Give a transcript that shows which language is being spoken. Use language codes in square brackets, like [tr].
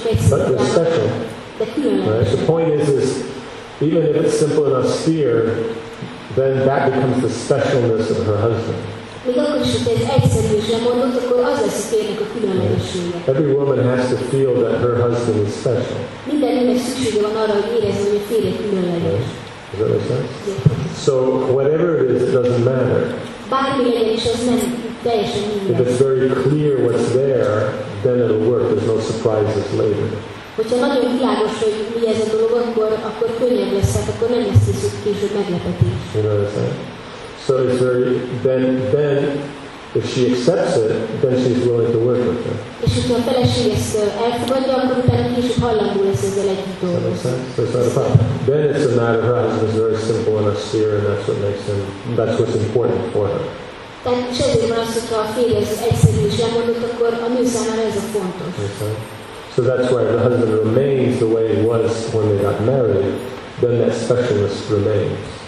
[en] But they're special. Right? The point is even if it's simple and austere, then that becomes the specialness of her husband. [hu] Még akkor is, hogy ez egyszerű és lemondott, akkor az lesz a férnek a különlegessége. [en] Every woman has to feel that her husband is special. [hu] Minden nőnek szüksége van arra, hogy érezze, hogy a férjének különleges. [en] Does that make sense? So, whatever it is, it doesn't matter. [hu] Bármi legyen is, az nem [en] If it's very clear what's there, then it'll work. There's no surprises later. [hu] Hogyha nagyon világos, hogy mi ez a dolog, akkor könnyebb lesz, hát akkor nem lesz később meglepetés. [en] You know what I'm saying? So it's very, then if she accepts it, then she's willing to work with her. [hu] És hogyha a feleség ezt elfogadja, akkor utána később hallandó lesz ezzel együtt dolgozni. [en] So it's not a problem. Then it's a matter of her husband is very simple and austere, and that's what makes him, that's what's important for her. [hu] Tehát semmi más, hogyha a férje ezt egyszerű is lemondott, akkor a nő számára ez a fontos. [en] So that's why the husband remains the way he was when they got married, then that specialist remains.